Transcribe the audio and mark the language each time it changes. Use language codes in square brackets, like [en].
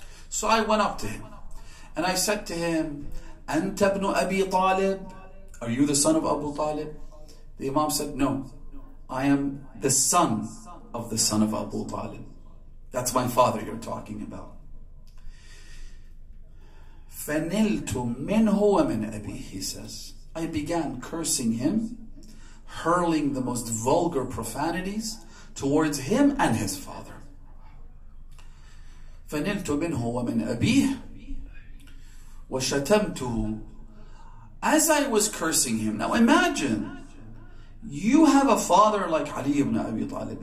[en] So I went up to him and I said to him, [ar] Anta ibn Abi Talib? [en] Are you the son of Abu Talib? The Imam said, no, I am the son of the son of Abu Talib. That's my father you're talking about. [ar] فَنِلْتُ مِنْهُ وَمِنْ أَبِيهِ, [en] he says. I began cursing him, hurling the most vulgar profanities towards him and his father. [ar] فَنِلْتُ مِنْهُ وَمِنْ أَبِيهِ وَشَتَمْتُهُ. [en] As I was cursing him, now imagine, you have a father like Ali ibn Abi Talib.